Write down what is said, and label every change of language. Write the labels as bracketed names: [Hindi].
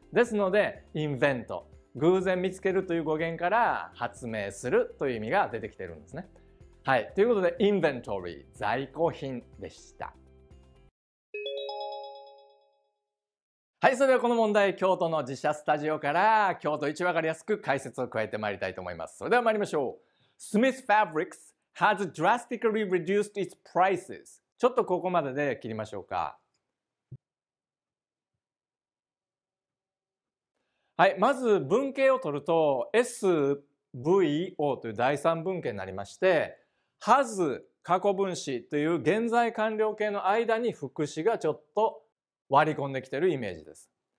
[Japanese] ですので invent、 偶然見つけるという語源から発明するという意味が出てきてるんですね。はい、ということで inventory、 在庫品でした。はい、それではこの問題、京都の自社スタジオから京都一わかりやすく解説を加えてまいりたいと思います。それではまいりましょう。 [English] Smith Fabrics has drastically reduced its prices。 [Japanese] ちょっとここまでで切りましょうか。はい、まず文型を取ると SVO という第三文型になりまして、 has 過去分詞という現在完了形の間に副詞がちょっと割り込んできているイメージです。